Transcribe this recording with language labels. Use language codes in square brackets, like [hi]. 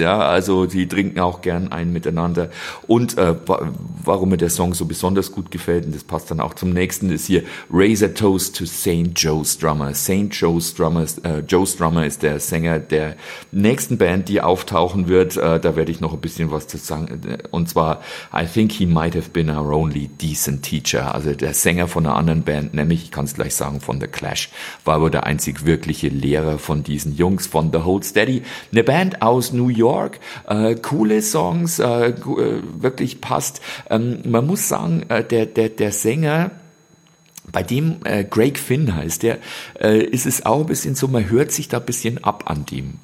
[de] Ja, also die trinken auch gern einen miteinander. Und warum mir der Song so besonders gut gefällt, und das passt dann auch zum nächsten, ist hier Raise a Toast to St. Joe's Drummer. St. Joe's Drummer, Joe's Drummer ist der Sänger der nächsten Band, die auftauchen wird. Da werde ich noch ein bisschen was zu sagen. Und zwar, [en] I think he might have been our only decent teacher. [de] Also der Sänger von einer anderen Band, nämlich, ich kann es gleich sagen, von The Clash, war aber der einzig wirkliche Lehrer von diesen Jungs, von The Hold Steady. Eine Band aus New York, coole Songs, wirklich passt. Man muss sagen, der Sänger, bei dem Greg Finn heißt der, ist es auch ein bisschen so, man hört sich da ein bisschen ab an dem.